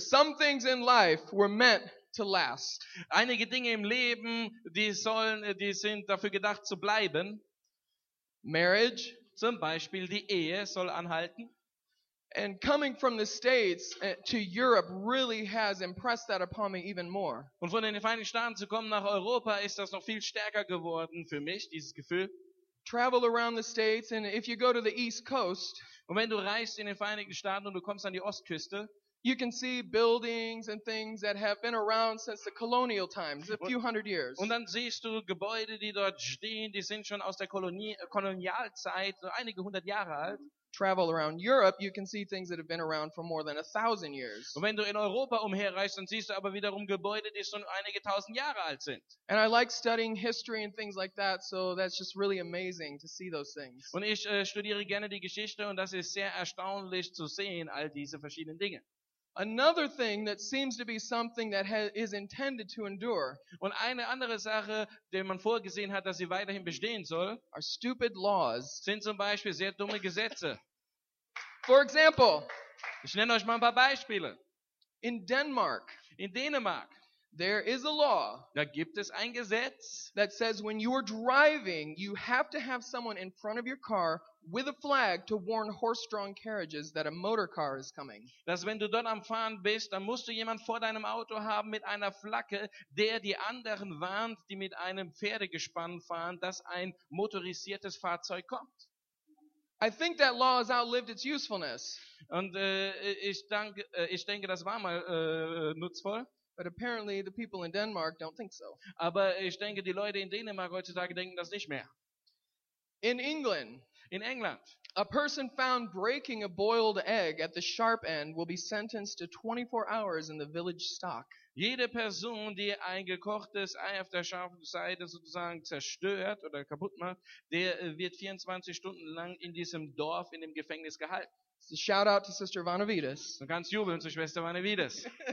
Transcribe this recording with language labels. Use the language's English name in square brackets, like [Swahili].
[English] Some things in life were meant to last. [German] Einige Dinge im Leben, die sind dafür gedacht zu bleiben. [English] Marriage, [German] zum Beispiel, die Ehe soll anhalten. [English] And coming from the States to Europe really has impressed that upon me even more. [German] Und von den Vereinigten Staaten zu kommen nach Europa ist das noch viel stärker geworden für mich, dieses Gefühl. [English] Travel around the States and if you go to the East Coast, [German] und wenn du reist in den Vereinigten Staaten und du kommst an die Ostküste, [English] you can see buildings and things that have been around since the colonial times, a few hundred years. [German] Und dann siehst du Gebäude, die dort stehen, die sind schon aus der Kolonialzeit, so einige hundert Jahre alt. [English] Travel around Europe, you can see things that have been around for more than 1,000 years. [German] Und wenn du in Europa umherreist, dann siehst du aber wiederum Gebäude, die schon einige tausend Jahre alt sind. [English] And I like studying history and things like that, so that's just really amazing to see those things. [German] Und ich studiere gerne die Geschichte und das ist sehr erstaunlich zu sehen, all diese verschiedenen Dinge. [English] Another thing that seems to be something that is intended to endure. [German] Und eine andere Sache, der man vorgesehen hat, dass sie weiterhin bestehen soll, [English] are stupid laws. [German] Sind zum Beispiel sehr dumme Gesetze. [English] For example, [German] ich nenne euch mal ein paar Beispiele. [English] In Denmark, [German] in Dänemark, [English] there is a law. [German] Da gibt es ein Gesetz, [English] that says when you are driving, you have to have someone in front of your car with a flag to warn horse-drawn carriages that a motor car is coming. [German] Dass wenn du dort am Fahren bist, dann musst du jemand vor deinem Auto haben mit einer Flagge, der die anderen warnt, die mit einem Pferdegespann fahren, dass ein motorisiertes Fahrzeug kommt. [English] I think that law has outlived its usefulness. [German] Und ich denke, das war mal nutzvoll. [English] But apparently the people in Denmark don't think so. [German] Aber ich denke, die Leute in Dänemark heutzutage denken das nicht mehr. [English] In England, a person found breaking a boiled egg at the sharp end will be sentenced to 24 hours in the village stock. [German] Jede Person, die ein gekochtes Ei auf der scharfen Seite sozusagen zerstört oder kaputt macht, der wird 24 Stunden lang in diesem Dorf, in dem Gefängnis gehalten. [English] So shout out to Sister Vanavides. [German] Du kannst jubeln zu Schwester Vanavides.